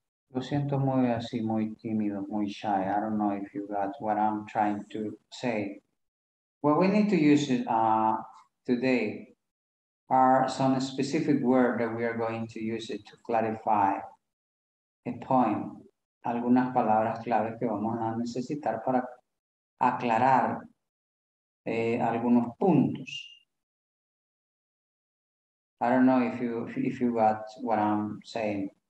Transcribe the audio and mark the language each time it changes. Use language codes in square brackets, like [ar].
[es] Lo siento muy así, muy tímido, muy shy. [en] I don't know if you got what I'm trying to say. What we need to use today are some specific words that we are going to use it to clarify a point. [es] Algunas palabras claves que vamos a necesitar para aclarar algunos puntos. [en] I don't know if you got what I'm saying.